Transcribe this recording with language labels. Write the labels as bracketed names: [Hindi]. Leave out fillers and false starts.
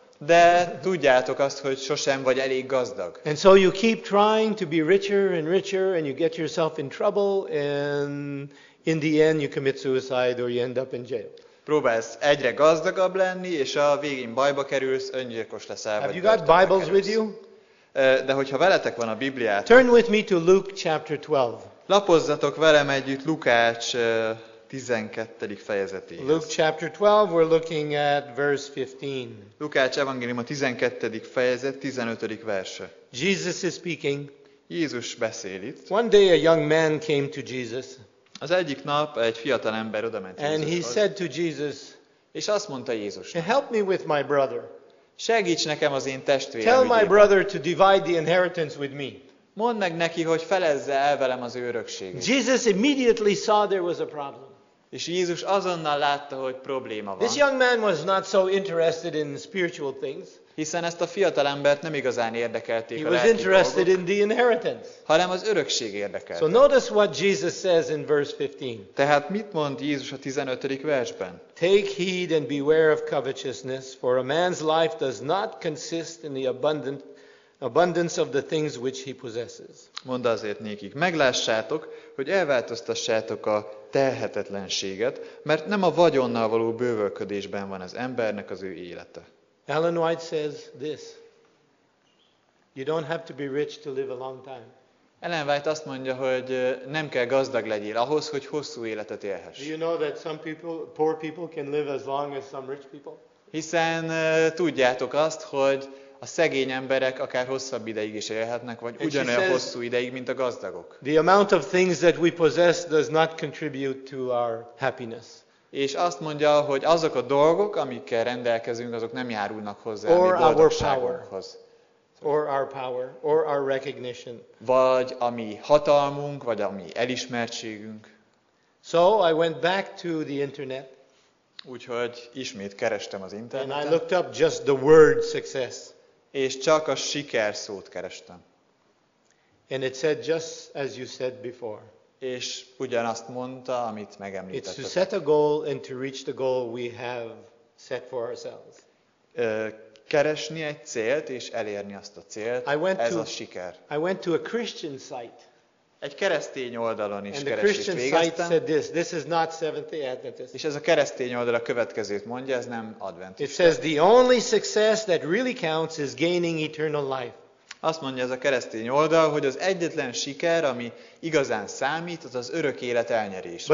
[Hungarian] De tudjátok azt, hogy sosem vagy elég gazdag. [English] And so you keep trying to be richer and richer, and you get yourself in trouble, and in the end you commit suicide or you end up in jail. [Hungarian] Próbálsz egyre gazdagabb lenni, és a végén bajba kerülsz, öngyilkos leszel. [English] Have you got Bibles with you? [Hungarian] De hogyha veletek van a Bibliátok. [English] Turn with me to Luke chapter 12. [Hungarian] Lapozzatok velem együtt Lukács 12. fejezetéhez. [English] Luke chapter 12, we're looking at verse 15. [Hungarian] Lukács evangélium a 12. fejezet 15. verse. [English] Jesus is speaking. [Hungarian] Jézus beszél itt. [English] One day a young man came to Jesus. [Hungarian] Az egyik nap egy fiatal ember odament Jézushoz. [English] And he said to Jesus, [Hungarian] és azt mondta Jézusnak, [English] help me with my brother. [Hungarian] Segíts nekem az én testvérem. [English] Tell my brother to divide the inheritance with me. [Hungarian] Mondd meg neki, hogy felezze el velem az örökséget. [English] Jesus immediately saw there was a problem. [Hungarian] És Jézus azonnal látta, hogy probléma van. [English] This young man was not so interested in spiritual things. [Hungarian] Hiszen ezt a fiatal embert nem igazán érdekelték a lelki dolgok, [English] in the inheritance. [Hungarian] Hanem az örökség érdekelte. [English] So notice what Jesus says in verse 15. [Hungarian] Tehát mit mond Jézus a 15. versben? [English] Take heed and beware of covetousness, for a man's life does not consist in the abundance of the things which he possesses. [Hungarian] Mondd azért nékik, meglássátok, hogy elváltoztassátok a telhetetlenséget, mert nem a vagyonnal való bővölködésben van az embernek az ő élete. [English] Ellen White says this. You don't have to be rich to live a long time. [Hungarian] Ellen White azt mondja, hogy nem kell gazdag legyél ahhoz, hogy hosszú életet élhess. [English] Do you know that some people, poor people can live as long as some rich people? [Hungarian] Hiszen tudjátok azt, hogy a szegény emberek akár hosszabb ideig is élhetnek, vagy ugyanolyan hosszú ideig, mint a gazdagok. [English] The amount of things that we possess does not contribute to our happiness. [Hungarian] És azt mondja, hogy azok a dolgok, amikkel rendelkezünk, azok nem járulnak hozzá a mi boldogságunkhoz. [English] Or our power, or our recognition. [Hungarian] Vagy a mi hatalmunk, vagy a mi elismertségünk. [English] So I went back to the internet. [Hungarian] Úgyhogy ismét kerestem az interneten. [English] And I looked up just the word success. [Hungarian] És csak a siker szót kerestem. [English] And it said just as you said before. [Hungarian] És ugyanazt mondta, amit megemlítettem. [English] It's to set a goal and to reach the goal we have set for ourselves. [Hungarian] Keresni egy célt és elérni azt a célt. Ez a siker. [English] I went to a Christian site. [Hungarian] Egy keresztény oldalon is keresést végeztem. [English] And the Christian site said this. This is not Seventh-day Adventist. [Hungarian] És ez a keresztény oldal a következőt mondja, ez nem adventista. [English] It says the only success that really counts is gaining eternal life. [Hungarian] Azt mondja ez a keresztény oldal, hogy az egyetlen siker, ami igazán számít, az az örök élet elnyerése.